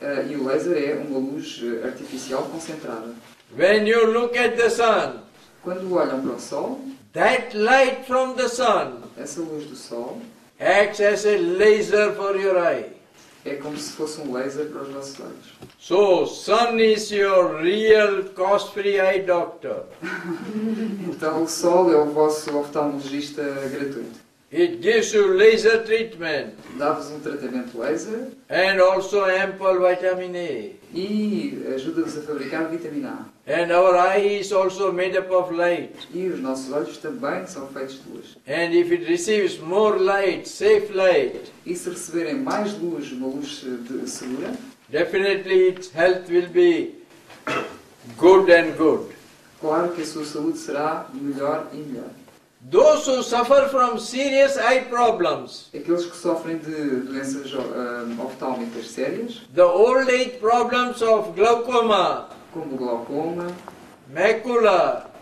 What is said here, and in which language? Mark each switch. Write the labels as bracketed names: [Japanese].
[Portuguese] E o laser é uma luz artificial concentrada. [English] When you look at the sun, [Portuguese] quando olham para o sol, [English] that light from the sun, [Portuguese] essa luz do sol, [English] acts as a laser for your eye. [Portuguese] É como se fosse um laser para os nossos olhos. [English] So, sun is your real cost-free eye doctor. [Portuguese] Então, o sol é o vosso oftalmologista gratuito. [English] It gives you laser treatment. [Portuguese] Dá-vos um tratamento laser. [English] And also ample vitamin A. [Portuguese] E ajuda-vos a fabricar vitamina A. [English] And our eye is also made up of light. [Portuguese] E os nossos olhos também são feitos de luz. [English] And if it receives more light, safe light. [Portuguese] E se receberem mais luz, uma luz segura. [English] Definitely its health will be good and good. [Portuguese] Claro que a sua saúde será melhor e melhor. [English] Those who suffer from serious eye problems. [Portuguese] Aqueles que sofrem de doenças oftálmicas sérias. [English] The old age problems of glaucoma. [Portuguese] Como glaucoma. [English] Macula.